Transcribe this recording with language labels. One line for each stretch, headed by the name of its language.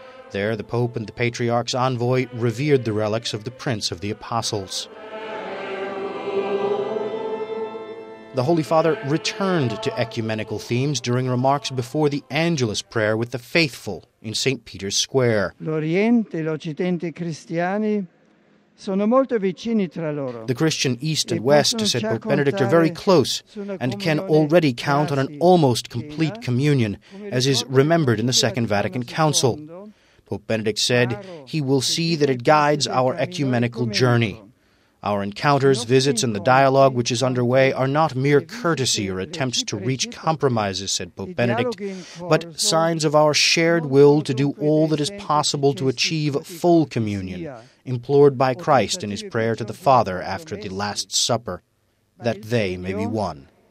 English: There, the Pope and the Patriarch's envoy revered the relics of the Prince of the Apostles. The Holy Father returned to ecumenical themes during remarks before the Angelus prayer with the faithful in St. Peter's Square.
Italian: L'Oriente, l'Occidente cristiani sono molto vicini tra loro.
English: The Christian East and West, said Pope Benedict, are very close and can already count on an almost complete communion, as is remembered in the Second Vatican Council. Pope Benedict said he will see that it guides our ecumenical journey. Our encounters, visits, and the dialogue which is underway are not mere courtesy or attempts to reach compromises, said Pope Benedict, but signs of our shared will to do all that is possible to achieve full communion, implored by Christ in his prayer to the Father after the Last Supper, that they may be one.